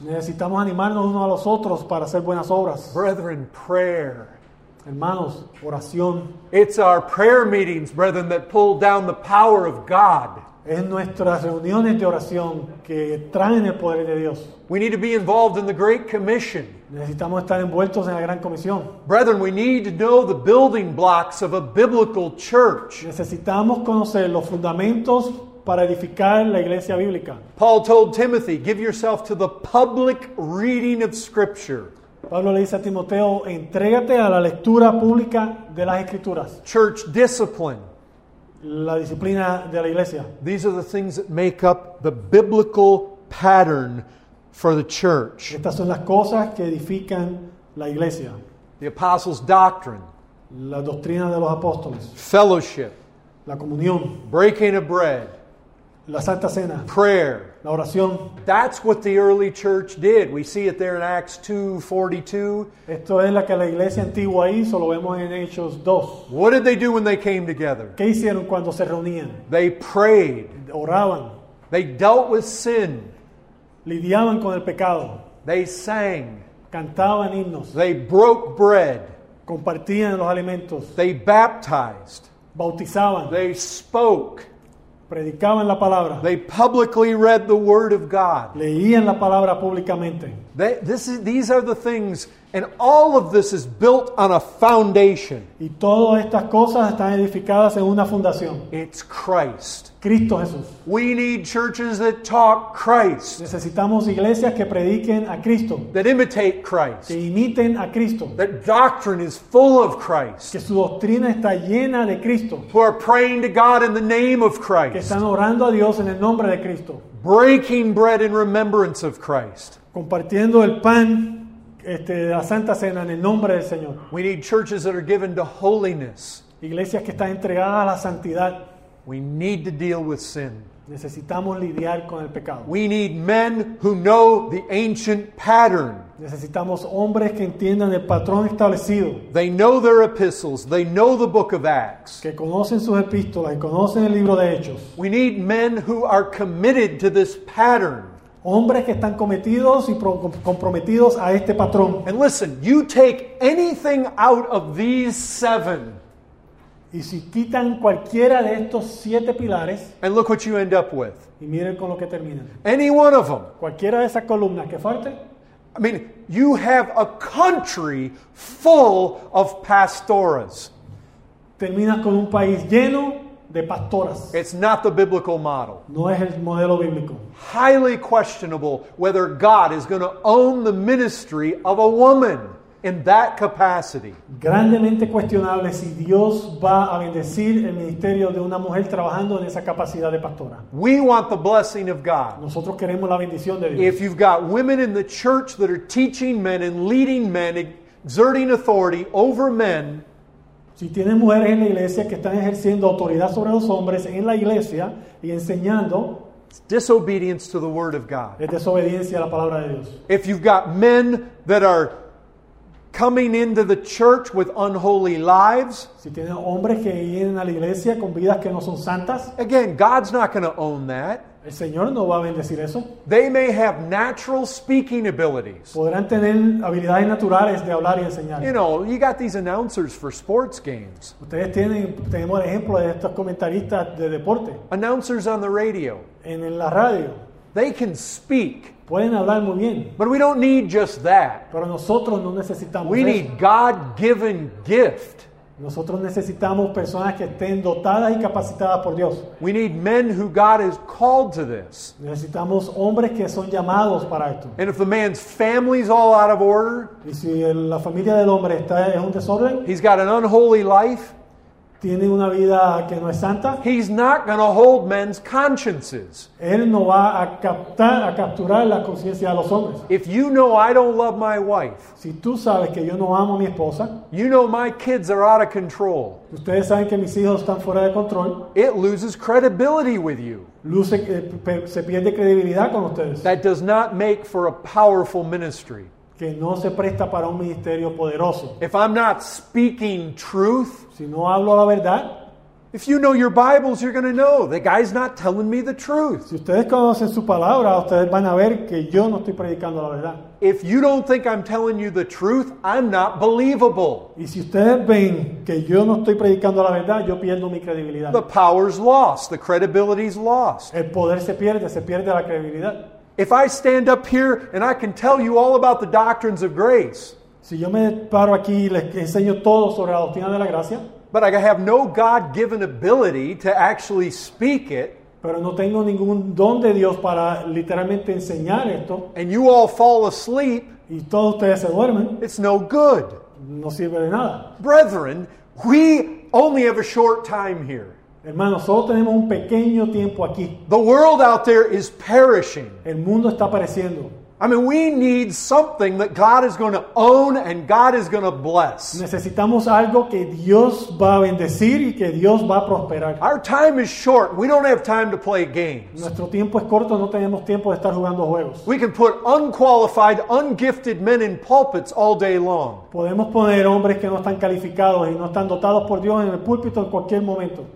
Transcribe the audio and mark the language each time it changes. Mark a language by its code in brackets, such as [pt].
[es] Necesitamos animarnos unos a los otros para hacer buenas obras. [en] Brethren, prayer. [es] Hermanos, oración. [en] It's our prayer meetings, brethren, that pull down the power of God. [es] Es nuestras reuniones de oración que traen el poder de Dios. [en] We need to be involved in the Great Commission. [es] Necesitamos estar envueltos en la Gran Comisión. [en] Brethren, we need to know the building blocks of a biblical church. [es] Necesitamos conocer los fundamentos para edificar la iglesia bíblica. [en] Paul told Timothy, give yourself to the public reading of Scripture. [es] Pablo le dice a Timoteo, entrégate a la lectura pública de las Escrituras. [en] Church discipline. [es] La disciplina de la iglesia. [en] These are the things that make up the biblical pattern for the church. [es] Estas son las cosas que edifican la iglesia. [en] The apostles' doctrine. [es] La doctrina de los apóstoles. [en] Fellowship. [es] La comunión. [en] Breaking of bread. [es] La Santa Cena. [en] Prayer. [es] La oración. [en] That's what the early church did. We see it there in Acts 2:42. [es] Esto es lo que la iglesia antigua hizo, lo vemos en Hechos 2. [en] What did they do when they came together? [es] ¿Qué hicieron cuando se reunían? [en] They prayed. [es] Oraban. [en] They dealt with sin. [es] Lidiaban con el pecado. [en] They sang. [es] Cantaban himnos. [en] They broke bread. [es] Compartían los alimentos. [en] They baptized. [es] Bautizaban. [en] They spoke. [es] Predicaban la palabra. [en] They publicly read the word of God. [es] Leían la palabra públicamente. [en] These are the things, and all of this is built on a foundation. [es] Y todas estas cosas están edificadas en una fundación. [en] It's Christ. [es] Cristo Jesús. [en] We need churches that talk Christ. [es] Necesitamos iglesias que prediquen a Cristo. [en] That imitate Christ. [es] Que imiten a Cristo. [en] That doctrine is full of Christ. [es] Que su doctrina está llena de Cristo. [en] Who are praying to God in the name of Christ. [es] Que están orando a Dios en el nombre de Cristo. [en] Breaking bread in remembrance of Christ. [es] Compartiendo el pan, la Santa Cena en el nombre del Señor. [en] We need churches that are given to holiness. [es] Iglesias que están entregadas a la santidad. [en] We need to deal with sin. [es] Necesitamos lidiar con el pecado. [en] We need men who know the ancient pattern. [es] Necesitamos hombres que entiendan el patrón establecido. [en] They know their epistles. They know the book of Acts. [es] Que conocen sus epístolas y conocen el libro de Hechos. [en] We need men who are committed to this pattern. [es] Hombres que están cometidos y comprometidos a este patrón. [en] And listen, you take anything out of these seven. [es] Y si quitan cualquiera de estos siete pilares. [en] And look what you end up with. [es] Y miren con lo que terminan. [en] Any one of them. [es] Cualquiera de esas columnas que falte. [en] I mean, you have a country full of pastoras. [es] Terminas con un país lleno de pastoras. [en] It's not the biblical model. [es] No es el modelo bíblico. [en] Highly questionable whether God is going to own the ministry of a woman in that capacity. [es] Grandemente cuestionable si Dios va a bendecir el ministerio de una mujer trabajando en esa capacidad de pastora. [en] We want the blessing of God. [es] Nosotros queremos la bendición de Dios. [en] If you've got women in the church that are teaching men and leading men, exerting authority over men. [es] Si tienen mujeres en la iglesia que están ejerciendo autoridad sobre los hombres en la iglesia y enseñando, [en] it's disobedience to the word of God. [es] Es desobediencia a la palabra de Dios. [en] If you've got men that are coming into the church with unholy lives, [es] si tienen hombres que vienen a la iglesia con vidas que no son santas, [en] again, God's not going to own that. [es] El Señor no va a bendecir eso. [en] They may have natural speaking abilities. [es] Podrán tener habilidades naturales de hablar y enseñar. [en] You know, you got these announcers for sports games. [es] Ustedes tenemos el ejemplo de estos comentaristas de deporte. [en] Announcers on the radio. [es] En la radio. [en] They can speak. [es] Pueden hablar muy bien. [en] But we don't need just that. [es] Pero nosotros no necesitamos [en] we [es] eso. [en] We need God-given gift. [es] Nosotros necesitamos personas que estén dotadas y capacitadas por Dios. [en] We need men who God has called to this. [es] Necesitamos hombres que son llamados para esto. [en] And if the man's family's all out of order, [es] y si la familia del hombre está en un desorden, [en] he's got an unholy life, [es] tiene una vida que no es santa, [en] he's not going to hold men's consciences. [es] Él no va a captar, a capturar la conciencia de los hombres. [en] If you know I don't love my wife, [es] si tú sabes que yo no amo a mi esposa, [en] you know my kids are out of control. [es] Ustedes saben que mis hijos están fuera de control. [en] It loses credibility with you. [es] Se pierde credibilidad con ustedes. [en] That does not make for a powerful ministry. [es] Que no se presta para un ministerio poderoso. [en] If I'm not speaking truth, [es] si no hablo la verdad, [en] if you know your Bibles, you're going to know the guy's not telling me the truth. [es] Si ustedes conocen su palabra, ustedes van a ver que yo no estoy predicando la verdad. [en] If you don't think I'm telling you the truth, I'm not believable. [es] Y si ustedes ven que yo no estoy predicando la verdad, yo pierdo mi credibilidad. [en] The power's lost. The credibility's lost. [es] El poder se pierde la credibilidad. [en] If I stand up here and I can tell you all about the doctrines of grace, [es] si yo me paro aquí y les enseño todo sobre la doctrina de la gracia, [en] but I have no God-given ability to actually speak it, [es] pero no tengo ningún don de Dios para literalmente enseñar esto, [en] and you all fall asleep, [es] y todos ustedes se duermen, [en] it's no good. [es] No sirve de nada. [en] Brethren, we only have a short time here. [es] Hermanos, solo tenemos un pequeño tiempo aquí. [en] The world out there is perishing. [es] El mundo está pereciendo. [en] I mean, we need something that God is going to own and God is going to bless. [es] Necesitamos algo que Dios va a bendecir y que Dios va a prosperar. [en] Our time is short. We don't have time to play games. [es] Nuestro tiempo es corto, no tenemos tiempo de estar jugando juegos. [en] We can put unqualified, ungifted men in pulpits all day long. [es] Podemos poner hombres que no están calificados y no están dotados por Dios en el púlpito en cualquier momento.